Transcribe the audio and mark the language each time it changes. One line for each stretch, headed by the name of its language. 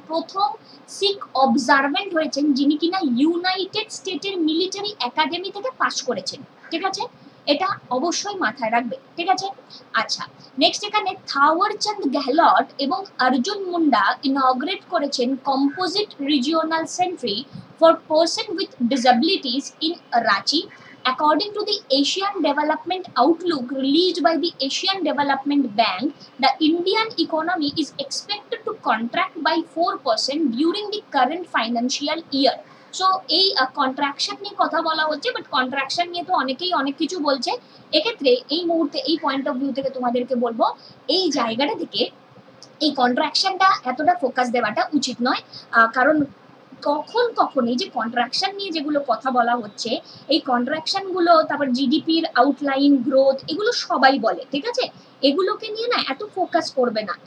Bangla: প্রথম শিখ অবজারভেন্ট হয়েছেন যিনি কিনা ইউনাইটেড স্টেটের মিলিটারি একাডেমি থেকে পাস করেছেন, ঠিক আছে, এটা অবশ্যই মাথায় রাখবে, ঠিক আছে। আচ্ছা নেক্সট, এখানে থাওয়ারচন্দ গেহলট এবং অর্জুন মুন্ডা ইনগ্রেট করেছেন composite regional sentry for person with disabilities in Ranchi.
English: According to the Asian Development Outlook released by the Asian Development Bank, the Indian economy is expected to contract by 4% during the current financial year.
Bangla: So, এই contraction নিয়ে কথা বলা হচ্ছে, but contraction নিয়ে তো অনেকেই অনেক কিছু বলছে। এক্ষেত্রে এই মুহূর্তে এই পয়েন্ট অফ ভিউ থেকে তোমাদেরকে বলবো এই জায়গাটা থেকে এই কন্ট্রাকশনটা এতটা ফোকাস দেওয়াটা উচিত নয়, কারণ কখন কখন এই যে কন্ট্রাকশন নিয়ে যেগুলো কথা বলা হচ্ছে এই কন্ট্রাকশনগুলো তারপর জিডিপির আউটলাইন গ্রোথ এগুলো সবাই বলে, ঠিক আছে, এগুলোকে নিয়ে না এত ফোকাস করবে না।